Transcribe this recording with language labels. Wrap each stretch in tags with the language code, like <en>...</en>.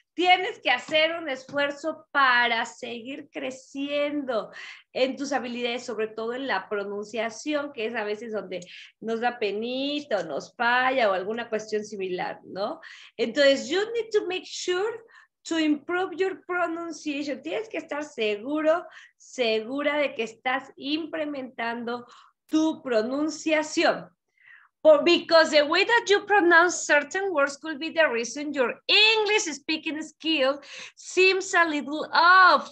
<es>Tienes que hacer un esfuerzo para seguir creciendo en tus habilidades, sobre todo en la pronunciación, que es a veces donde nos da penita o nos falla o alguna cuestión similar, ¿no? Entonces,</es> <en>you need to make sure to improve your pronunciation.</en> <es>Tienes que estar seguro, segura de que estás implementando tu pronunciación.</es> <en>Because the way that you pronounce certain words could be the reason your English speaking skill seems a little off.</en>